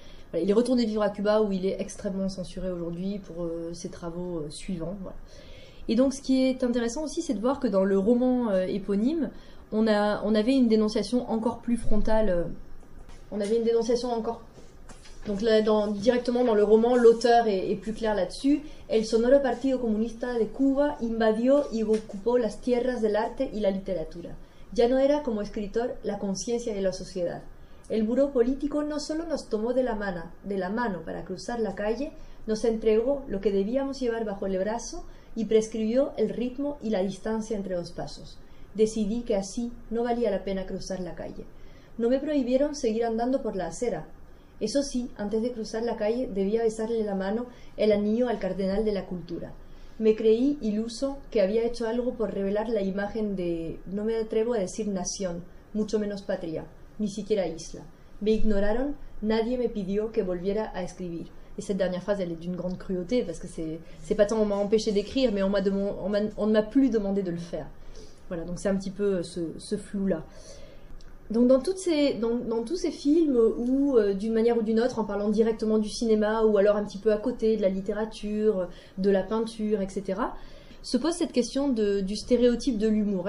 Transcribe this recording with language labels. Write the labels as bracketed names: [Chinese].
[French] Voilà, il est retourné vivre à Cuba où il est extrêmement censuré aujourd'hui pour ses travaux suivants. Voilà. Et donc ce qui est intéressant aussi, c'est de voir que dans le roman éponyme, on avait une dénonciation encore plus frontale. Donc là, directement dans le roman, l'auteur est plus clair là-dessus. [Spanish] El sonoro Partido Comunista de Cuba invadió y ocupó las tierras del arte y la literatura. Ya no era como escritor la conciencia de la sociedad. El buró político no solo nos tomó de la mano para cruzar la calle, nos entregó lo que debíamos llevar bajo el brazo y prescribió el ritmo y la distancia entre los pasos. Decidí que así no valía la pena cruzar la calle. No me prohibieron seguir andando por la acera. Eso sí, antes de cruzar la calle debía besarle la mano el anillo al cardenal de la cultura. Me creí iluso que había hecho algo por revelar la imagen de, no me atrevo a decir nación, mucho menos patria, ni siquiera isla. Me ignoraron, nadie me pidió que volviera a escribir. [French] Et cette dernière phrase, elle est d'une grande cruauté, parce que c'est pas tant on m'a empêché d'écrire, mais on ne m'a plus demandé de le faire. Voilà, donc c'est un petit peu ce flou-là. Donc dans tous ces films, ou d'une manière ou d'une autre, en parlant directement du cinéma, ou alors un petit peu à côté, de la littérature, de la peinture, etc., se pose cette question du stéréotype de l'humour.